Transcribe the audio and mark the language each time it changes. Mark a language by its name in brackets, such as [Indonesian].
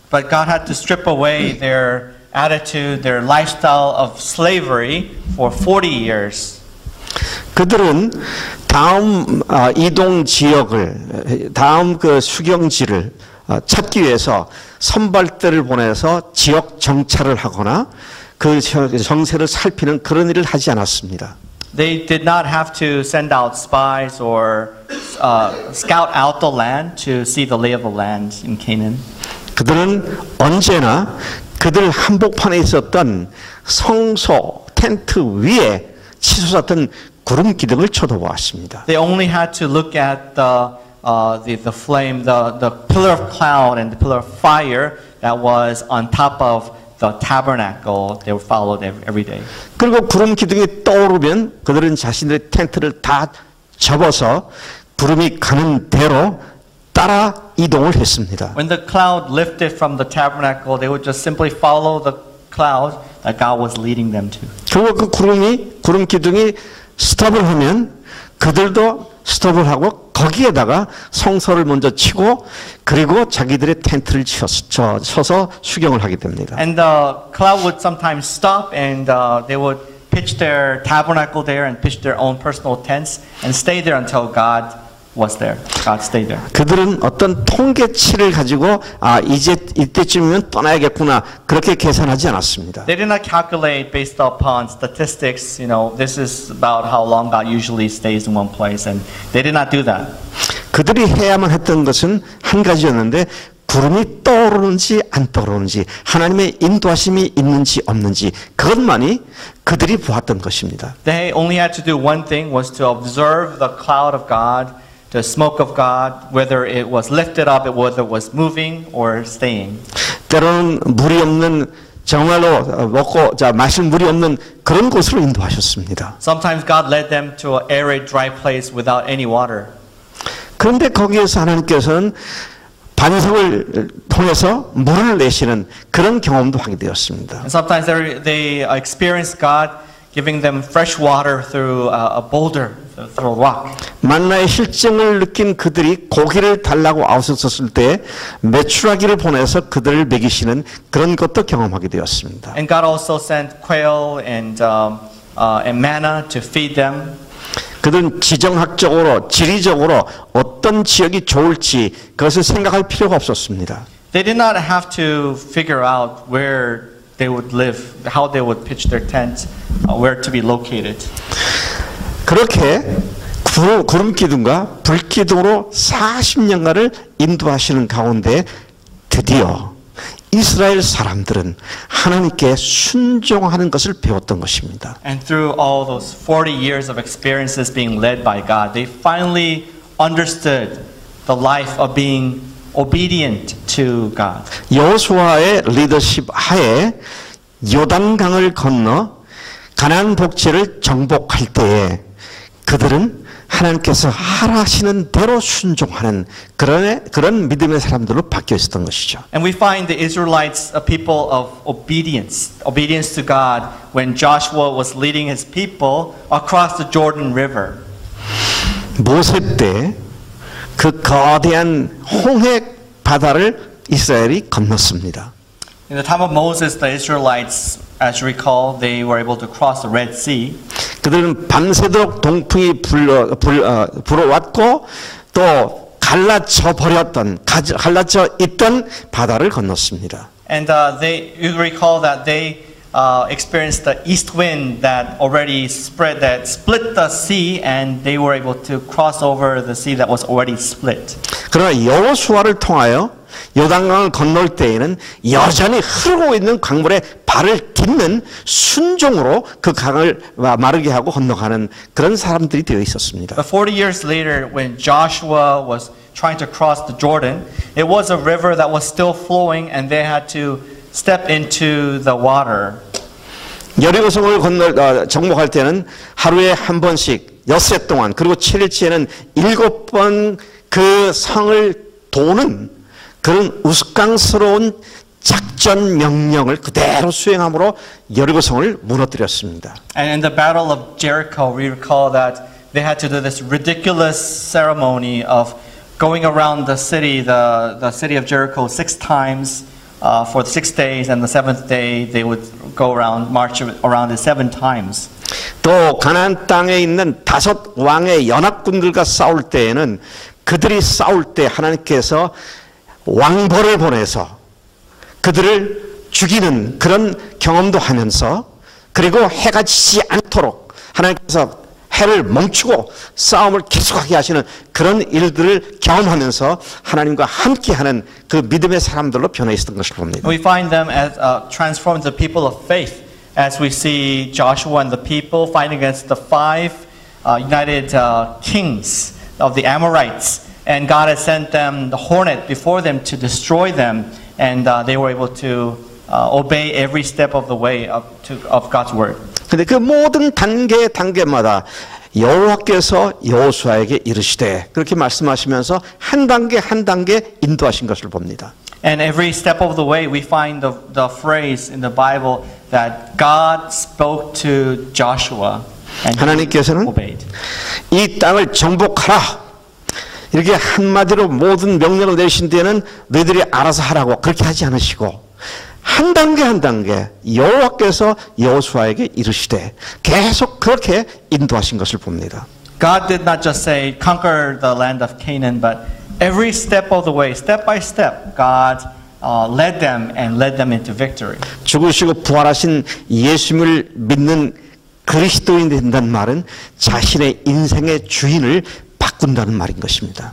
[English] But God had to strip away their attitude, their lifestyle of slavery for 40 years. [Korean] 그들은 다음 이동 지역을, 다음 그 수경지를 찾기 위해서 선발대를 보내서 지역 정찰을 하거나 그 정세를 살피는 그런 일을 하지 않았습니다. [English] They did not have to send out spies or scout out the land to see the lay of the land in Canaan. [Korean] 그들은 언제나 그들 한복판에 있었던 성소 텐트 위에 치솟았던 구름 기둥을 쳐다보았습니다. [English] They only had to look at the flame, the pillar of cloud and the pillar of fire that was on top of the tabernacle they were followed every day. [Korean] 그리고 구름 기둥이 떠오르면 그들은 자신들의 텐트를 다 접어서 구름이 가는 대로 따라 이동을 했습니다. [English] When the cloud lifted from the tabernacle, they would just simply follow the cloud that God was leading them to. [Korean] 결국 그 구름이 구름 기둥이 스톱을 하면 그들도 스톱을 하고 거기에다가 성서를 먼저 치고 그리고 자기들의 텐트를 쳐서 수경을 하게 됩니다. [English] And the cloud would sometimes stop and they would pitch their tabernacle there and pitch their own personal tents and stay there until God was there. God stayed there. [Korean] 그들은 어떤 통계치를 가지고 아 이제 이때쯤이면 떠나야겠구나 그렇게 계산하지 않았습니다. [English] They did not calculate based upon statistics. You know, this is about how long God usually stays in one place, and they did not do that. [Korean] 그들이 해야만 했던 것은 한 가지였는데 구름이 떠오르는지 안 떠오르는지 하나님의 인도하심이 있는지 없는지 그것만이 그들이 보았던 것입니다. [English] They only had to do one thing, was to observe the cloud of God. The smoke of God, whether it was lifted up, whether it was moving or staying. [Korean] 때로는 물이 없는 정말로 먹고 자 마실 물이 없는 그런 곳으로 인도하셨습니다. [English] Sometimes God led them to an arid, dry place without any water. [Korean] 그런데 거기에서 하나님께서는 반석을 통해서 물을 내시는 그런 경험도 하게 되었습니다. [English] And sometimes they experienced God giving them fresh water through a boulder. [Korean] 만나의 실증을 느낀 그들이 고기를 달라고 아우셨을 때 메추라기를 보내서 그들을 먹이시는 그런 것도 경험하게 되었습니다. [English] And God also sent quail and manna to feed them. [Korean] 그들은 지정학적으로 지리적으로 어떤 지역이 좋을지 그것을 생각할 필요가 없었습니다. [English] They did not have to figure out where they would live, how they would pitch their tents, where to be located. [Korean] 그렇게 구름 기둥과 불 기둥으로 40년간을 인도하시는 가운데 드디어 이스라엘 사람들은 하나님께 순종하는 것을 배웠던 것입니다. [English] And through all those 40 years of experiences being led by God, they finally understood the life of being obedient to God. [Korean] 여호수아의 리더십 하에 요단강을 건너 가나안 복지를 정복할 때에 그들은 하나님께서 하라시는 대로 순종하는 그런 믿음의 사람들로 바뀌어 있었던 것이죠. [English] And we find the Israelites a people of obedience to God when Joshua was leading his people across the Jordan River. [Korean] 모세 때 그 거대한 홍해 바다를 이스라엘이 건넜습니다. [English] In the time of Moses, the Israelites, as you recall, they were able to cross the Red Sea. [Korean] 그들은 밤새도록 동풍이 불어왔고 또 갈라져 버렸던 갈라져 있던 바다를 건넜습니다. [English] And they, you recall that they experienced the east wind that already spread, that split the sea, and they were able to cross over the sea that was already split. [Korean] 그러나 여호수아를 통하여 요단강을 건널 때에는 여전히 흐르고 있는 강물에 발을 딛는 순종으로 그 강을 마르게 하고 건너가는 그런 사람들이 되어 있었습니다. [English] But 40 years later, when Joshua was trying to cross the Jordan, it was a river that was still flowing, and they had to step into the water. [Korean] 여리고성을 건널 정복할 때는 하루에 한 번씩 엿새 동안 그리고 7일째에는 7번 그 성을 도는 그런 우스꽝스러운 작전 명령을 그대로 수행함으로 여리고성을 무너뜨렸습니다. [English] And in the battle of Jericho, we recall that they had to do this ridiculous ceremony of going around the city, the city of Jericho, six times for six days, and the seventh day they would go around, march around it seven times. [Korean] 또 가나안 땅에 있는 다섯 왕의 연합군들과 싸울 때에는 그들이 싸울 때 하나님께서 왕벌을 보내서 그들을 죽이는 그런 경험도 하면서 그리고 해가 지지 않도록 하나님께서 해를 멈추고 싸움을 계속하게 하시는 그런 일들을 경험하면서 하나님과 함께하는 그 믿음의 사람들로 변해 있었던 것을 봅니다. [English] We find them as transform the people of faith as we see Joshua and the people fighting against the five united kings of the Amorites. And God had sent them the hornet before them to destroy them, and they were able to obey every step of the way of God's word. [Korean] 근데 그 모든 단계마다 여호와께서 여호수아에게 이르시되 그렇게 말씀하시면서 한 단계 한 단계 인도하신 것을 봅니다. [English] And every step of the way, we find the phrase in the Bible, that God spoke to Joshua and he obeyed. [Korean] 하나님께서는 이 땅을 정복하라 이렇게 한마디로 모든 명령을 내신 뒤에는 너희들이 알아서 하라고 그렇게 하지 않으시고 한 단계 한 단계 여호와께서 여호수아에게 이르시되 계속 그렇게 인도하신 것을 봅니다. [English] God did not just say conquer the land of Canaan, but every step of the way, step by step, God led them and led them into victory. [Korean] 죽으시고 부활하신 예수님을 믿는 그리스도인 된다는 말은 자신의 인생의 주인을 바꾼다는 말인 것입니다.